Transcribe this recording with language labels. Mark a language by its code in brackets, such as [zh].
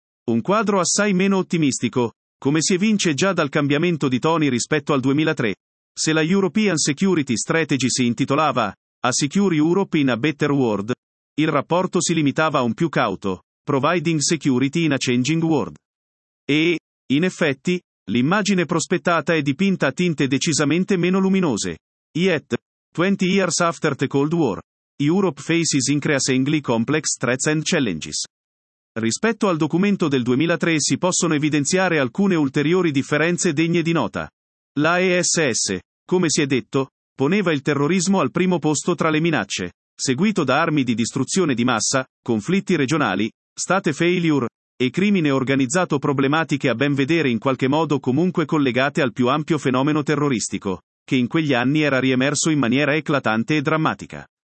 [it] Un quadro assai meno ottimistico, come si evince già dal cambiamento di toni rispetto al 2003, se la European Security Strategy si intitolava [en] A Secure Europe in a Better World, [it] il rapporto si limitava a un più cauto [en] Providing Security in a Changing World. [it] E, in effetti, l'immagine prospettata è dipinta a tinte decisamente meno luminose. [en] Yet, 20 years after the Cold War, Europe faces increasingly complex threats and challenges. [it] Rispetto al documento del 2003 si possono evidenziare alcune ulteriori differenze degne di nota. La ESS, come si è detto, poneva il terrorismo al primo posto tra le minacce, seguito da armi di distruzione di massa, conflitti regionali, state failure, e crimine organizzato problematiche a ben vedere in qualche modo comunque collegate al più ampio fenomeno terroristico, che in quegli anni era riemerso in maniera eclatante e drammatica.